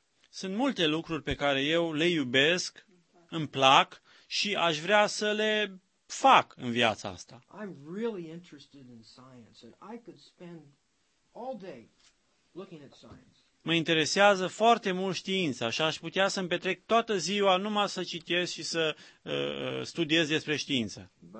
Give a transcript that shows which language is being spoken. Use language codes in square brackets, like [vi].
[ro] Sunt multe lucruri pe care eu le iubesc, îmi plac și aș vrea să le fac în viața asta. [en] I'm really interested in science and I could spend all day looking at science. [ro] Mă interesează foarte mult știința și aș putea să-mi petrec toată ziua numai să citesc și să studiez despre știință.